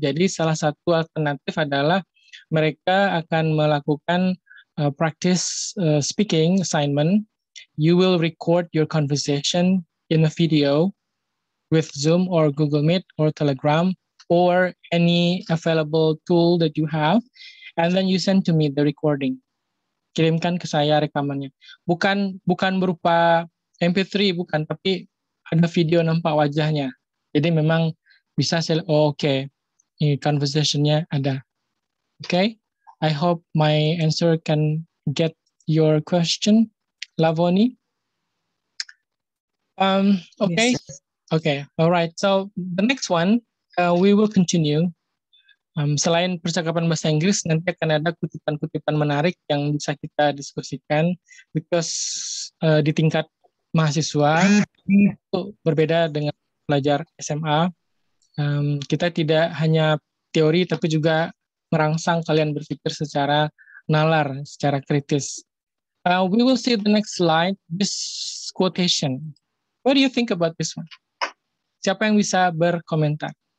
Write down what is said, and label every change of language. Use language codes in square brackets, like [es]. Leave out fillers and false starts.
[id] Jadi salah satu alternatif adalah mereka akan melakukan [en] practice speaking assignment. You will record your conversation in a video with Zoom or Google Meet or Telegram, or any available tool that you have, and then you send to me the recording. [id] Kirimkan ke saya rekamannya. Bukan berupa MP3, bukan, tapi ada video nampak wajahnya. Jadi memang bisa saya, oh, oke, okay. Conversation-nya ada. [en] Oke, okay? I hope my answer can get your question, Lavoni. Okay, yes, okay, all right. So the next one, we will continue. [id] Selain percakapan bahasa Inggris, nanti akan ada kutipan-kutipan menarik yang bisa kita diskusikan, because di tingkat mahasiswa itu berbeda dengan pelajar SMA. Kita tidak hanya teori, tapi juga merangsang kalian berpikir secara nalar, secara kritis. [en] We will see the next slide, this quotation. What do you think about this one? [id] Siapa yang bisa berkomentar?